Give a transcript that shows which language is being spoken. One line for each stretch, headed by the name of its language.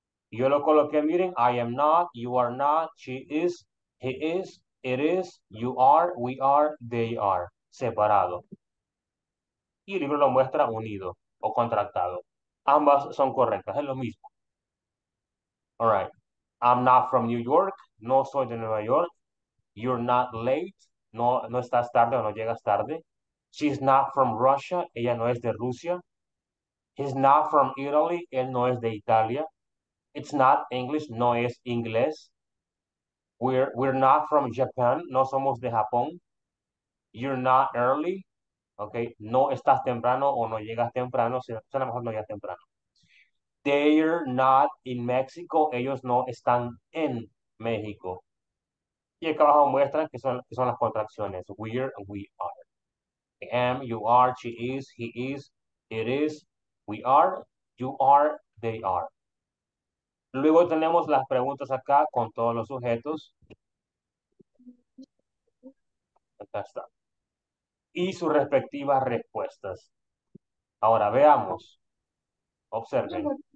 Spanish: Yo lo coloqué, miren,
English: I am not, you are not, she is, he is, it is, you are, we are, they are, separado.
Spanish: Y el libro lo muestra unido o contractado. Ambas son correctas, es lo mismo.
English: All right. I'm not from New York,
Spanish: no soy de Nueva York.
English: You're not late,
Spanish: no estás tarde o no llegas tarde.
English: She's not from Russia,
Spanish: ella no es de Rusia.
English: He's not from Italy,
Spanish: él no es de Italia.
English: It's not English,
Spanish: no es inglés.
English: We're not from Japan,
Spanish: no somos de Japón.
English: You're not early, okay?
Spanish: No estás temprano o no llegas temprano, a lo mejor no llegas temprano.
English: They're not in Mexico,
Spanish: ellos no están en México. Y acá abajo muestran que son las contracciones.
English: We're, we are. I am, you are, she is, he is, it is, we are, you are, they are.
Spanish: Luego tenemos las preguntas acá con todos los sujetos. Acá está. Y sus respectivas respuestas. Ahora veamos. Observen.